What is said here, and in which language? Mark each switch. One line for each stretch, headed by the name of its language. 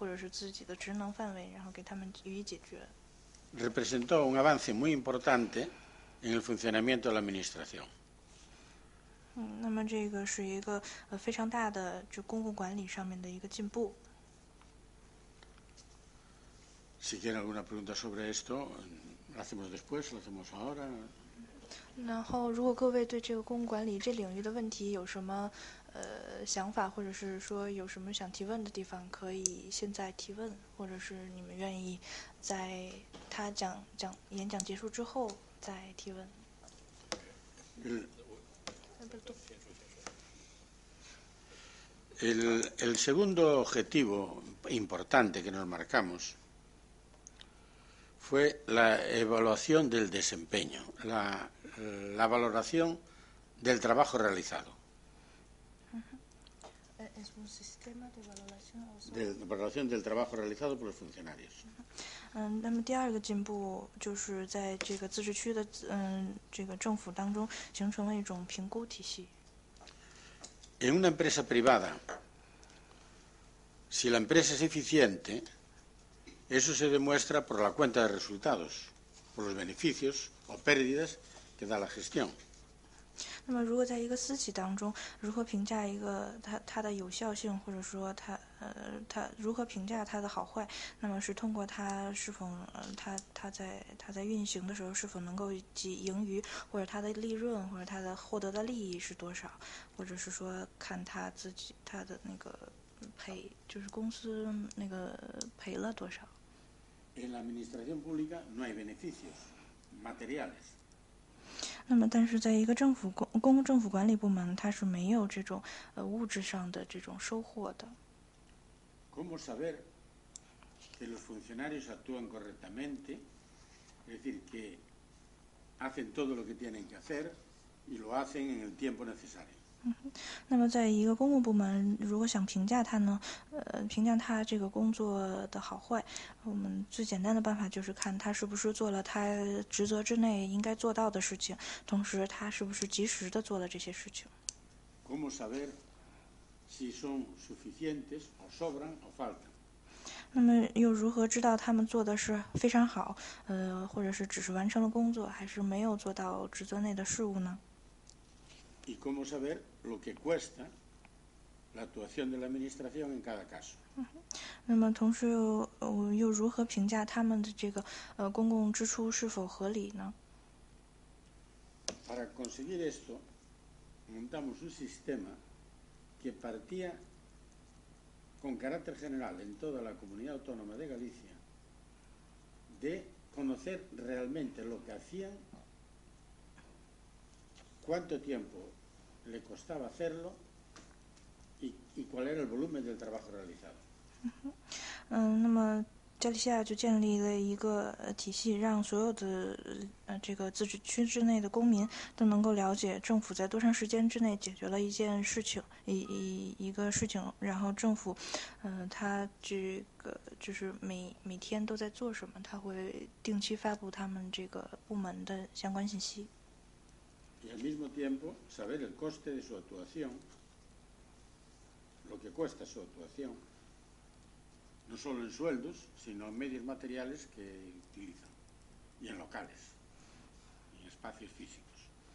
Chinese: 那么之所以能够如此快的解决这么多的问题，就是因为当这些表格填写完了，然后直接上报给这个相关的部门之后，他们能够第一时间的看到，并且根据他们的这个就是自己的这些信息或者是自己的职能范围，然后给他们予以解决。
Spanish: Representó un avance muy importante en el funcionamiento de la administración.
Chinese: 那么这个是一个非常大的就公共管理上面的一个进步。
Spanish: Si tiene alguna pregunta sobre esto, lo hacemos después, lo hacemos ahora.
Chinese: 然后，如果各位对这个公共管理这领域的问题有什么想法，或者是说有什么想提问的地方，可以现在提问，或者是你们愿意在他讲演讲结束之后再提问。
Spanish: 嗯，El segundo objetivo importante que nos marcamos fue la evaluación del desempeño, la valoración del trabajo realizado. ¿Es un sistema de valoración? De valoración del trabajo realizado por los funcionarios.
Chinese: 那么第二个进步就是在这个自治区的这个政府当中形成了一种评估体系。
Spanish: En una empresa privada, si la empresa es eficiente, eso se demuestra por la cuenta de resultados, por los beneficios o pérdidas que da la gestión.
Chinese: 那么如果在一个私企当中，如何评价一个它的有效性，或者说它如何评价它的好坏，那么是通过它是否它在运行的时候是否能够盈余，或者它的利润，或者它的获得的利益是多少，或者是说看它自己它的那个赔，就是公司那个赔了多少。
Spanish: En la administración pública no hay beneficios materiales。
Chinese: 那么但是在一个政府公共政府管理部门，它是没有这种物质上的这种收获的。
Spanish: ¿Cómo saber que los funcionarios actúan correctamente? Es decir, que hacen todo lo que tienen que hacer y lo hacen en el tiempo necesario.
Chinese: 那么在一个公共部门，如果想评价它呢，评价它这个工作的好坏，我们最简单的办法就是看它是不是做了它职责之内应该做到的事情，同时它是不是及时的做了这些事情。
Spanish: ¿Cómo saber si son suficientes o sobran o faltan?
Chinese: 那么又如何知道他们做的是非常好，或者是只是完成了工作，还是没有做到职责内的事物呢？
Spanish: ¿Y cómo saber lo que cuesta la actuación de la administración en cada caso?
Chinese: 那么同时又如何评价他们的这个公共支出是否合理呢？
Spanish: Para conseguir esto, montamos un sistema que partía con carácter general en toda la comunidad autónoma de Galicia de conocer realmente lo que hacían, cuánto tiempo le costaba hacerlo y cuál era el volumen del trabajo realizado.
Chinese: 那么加利西亚就建立了一个体系，让所有的这个自治区之内的公民都能够了解政府在多长时间之内解决了一件事情，一个事情，然后政府他这个就是每天都在做什么，他会定期发布他们这个部门的相关信息。
Spanish: Y al mismo tiempo, saber el coste de su actuación, lo que cuesta su actuación, no solo en sueldos, sino en medios materiales que utilizan, y en locales, y en espacios físicos.